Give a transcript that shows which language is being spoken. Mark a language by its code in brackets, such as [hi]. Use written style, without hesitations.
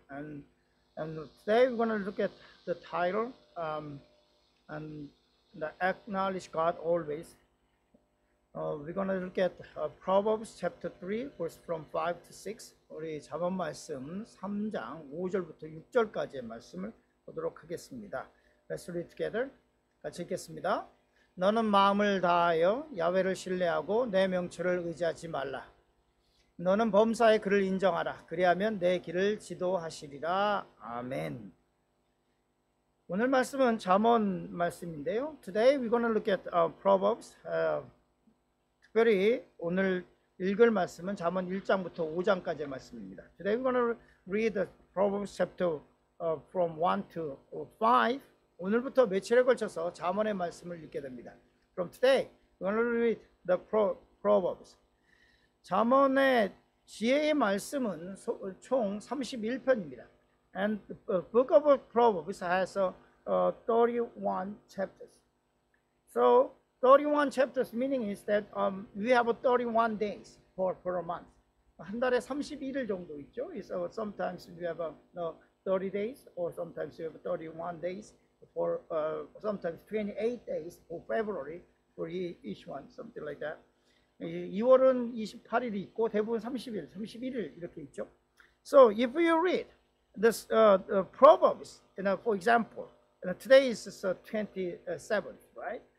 [en] And today we're going to look at the title and the acknowledge God always. We're going to look at Proverbs chapter 3, verse from 5 to 6. [ko] 우리 잠언 말씀 3장 5절부터 6절까지의 말씀을 보도록 하겠습니다. [en] Let's read together. [ko] 같이 읽겠습니다. 너는 마음을 다하여 야훼를 신뢰하고 내 명철을 의지하지 말라. 너는 범사에 그를 인정하라. 그리하면 내 길을 지도하시리라. 아멘. 오늘 말씀은 잠언 말씀인데요. [en] Today we're going to look at Proverbs. [ko] 특별히 오늘 읽을 말씀은 잠언 1장부터 5장까지의 말씀입니다. [en] Today we're going to read the Proverbs chapter from 1 to 5. [ko] 오늘부터 며칠에 걸쳐서 잠언의 말씀을 읽게 됩니다. [en] From today, we're going to read the Proverbs. [ko] 잠언의 지혜의 말씀은 총 31편입니다. [en] And the book of Proverbs has 31 chapters. So, 31 chapters meaning is that we have 31 days per month. [ko] 한 달에 31일 정도 있죠. [en] So sometimes we have 30 days or sometimes we have 31 days or sometimes 28 days for February for each one, something like that. [ko] 2월은 28일이 있고 대부분 31일 이렇게 있죠. [en] So if you read this the Proverbs, you know, for example, you know, today is 27th, right?